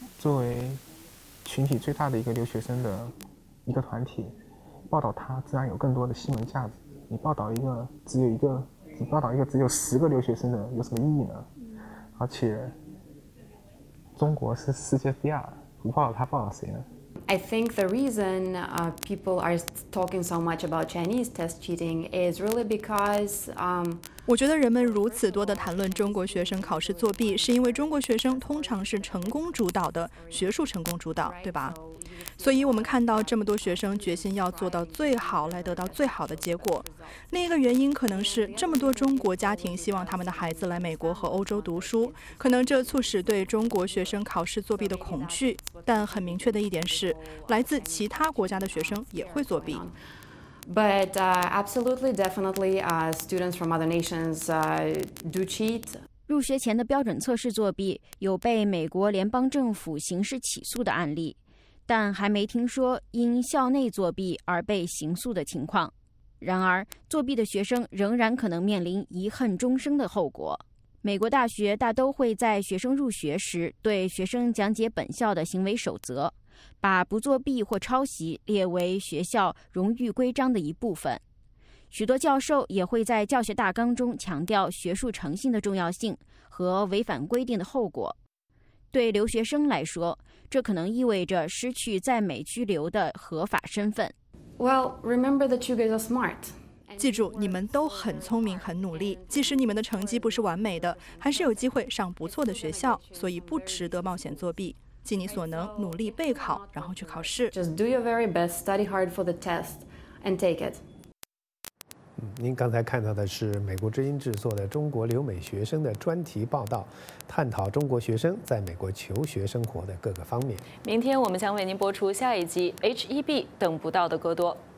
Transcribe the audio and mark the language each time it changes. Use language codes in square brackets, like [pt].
[zh] 作为群体最大的一个留学生的一个团体，报道它自然有更多的新闻价值。你报道一个只有一个，你报道一个只有十个留学生的有什么意义呢？而且中国是世界第二，不报道它报道谁呢？ [en] I think the reason people are talking so much about Chinese test cheating is really because [zh] 我觉得人们如此多地谈论中国学生考试作弊，是因为中国学生通常是成功主导的，学术成功主导，对吧？所以我们看到这么多学生决心要做到最好来得到最好的结果。另一个原因可能是这么多中国家庭希望他们的孩子来美国和欧洲读书，可能这促使对中国学生考试作弊的恐惧。但很明确的一点是，来自其他国家的学生也会作弊。 [en] But absolutely, definitely, students from other nations do cheat. [zh] 入学前的标准测试作弊，有被美国联邦政府刑事起诉的案例，但还没听说因校内作弊而被刑诉的情况。然而，作弊的学生仍然可能面临遗恨终生的后果。美国大学大都会在学生入学时对学生讲解本校的行为守则，把不作弊或抄袭列为学校荣誉规章的一部分。许多教授也会在教学大纲中强调学术诚信的重要性和违反规定的后果。对留学生来说，这可能意味着失去在美居留的合法身份。 [en] Well, remember that you guys are smart. [zh] 记住，你们都很聪明、很努力，即使你们的成绩不是完美的，还是有机会上不错的学校，所以不值得冒险作弊。尽你所能，努力备考，然后去考试。 [en] Just do your very best, study hard for the test, and take it. [zh] 您刚才看到的是美国之音制作的中国留美学生的专题报道，探讨中国学生在美国求学生活的各个方面。明天我们将为您播出下一集 HEB 等不到的戈多。